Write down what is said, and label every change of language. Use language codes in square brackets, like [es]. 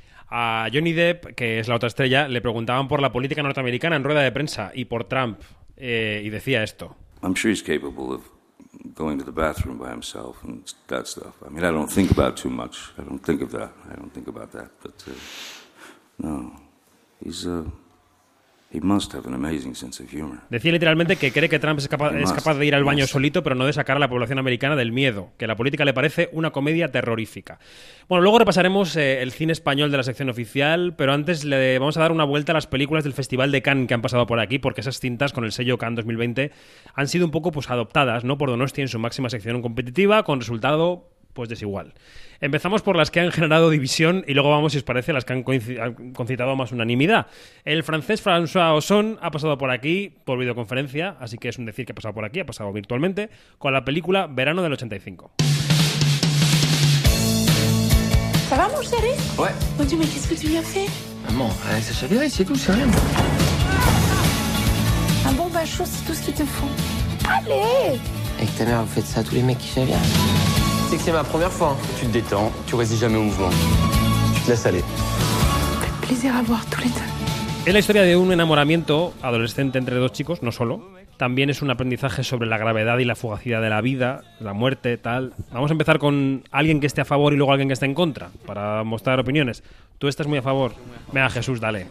[es] A Johnny Depp, que es la otra estrella, le preguntaban por la política norteamericana en rueda de prensa y por Trump, y decía esto. [en] I'm sure he's capable of going to the bathroom by himself and that stuff. I mean, I don't think about too much. I don't think of that. I don't think about that. But no, he must have an amazing sense of humor. [es] Decía literalmente que cree que Trump es capaz de ir al baño solito, pero no de sacar a la población americana del miedo, que la política le parece una comedia terrorífica. Bueno, luego repasaremos el cine español de la sección oficial, pero antes le vamos a dar una vuelta a las películas del Festival de Cannes que han pasado por aquí, porque esas cintas con el sello Cannes 2020 han sido un poco pues adoptadas, ¿no?, por Donosti en su máxima sección competitiva, con resultado pues desigual. Empezamos por las que han generado división y luego vamos, si os parece, a las que han concitado más unanimidad. El francés François Ozon ha pasado por aquí por videoconferencia, así que es un decir que ha pasado por aquí, ha pasado virtualmente, con la película Verano del 85. [fr] ¿Ça va, mon chéri? Ouais. Mon Dieu, mais qu'est-ce que tu viens faire? Maman, ça s'est bien ici, tout ça. Un bon bain chaud, c'est tout ce qu'il te faut. Allez! Avec ta mère, vous faites ça à tous les mecs qui savent bien. C'est que c'est ma première fois. Tu te détends, tu résistes jamais au mouvement. Tu te laisses aller. Fait plaisir à voir tous les deux. [es] Es la historia de un enamoramiento adolescente entre dos chicos, no solo. También es un aprendizaje sobre la gravedad y la fugacidad de la vida, la muerte, tal. Vamos a empezar con alguien que esté a favor y luego alguien que esté en contra, para mostrar opiniones. Tú estás muy a favor. Venga, Jesús, dale.